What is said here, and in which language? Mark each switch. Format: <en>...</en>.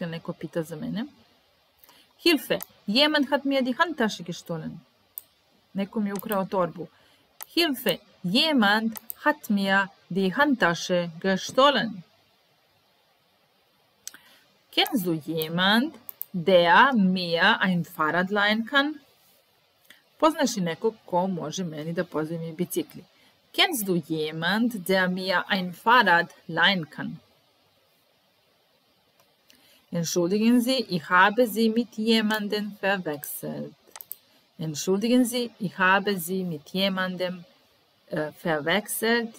<sr>Ja, neko pita za mene.</sr> <de>Hilfe! Jemand hat mir die Handtasche gestohlen.</de> <sr>Neko mi ukrao torbu.</sr> <de>Hilfe! Jemand hat mir die Handtasche gestohlen. Kennst du jemand, der mir ein Fahrrad leihen kann?</de> <sr>Poznaš li neko ko može meni da pozajmi bicikli?</sr> <de>Kennst du jemand, der mir ein Fahrrad leihen kann? Entschuldigen Sie, ich habe Sie mit jemandem verwechselt. Entschuldigen Sie, ich habe Sie mit jemandem verwechselt.</de>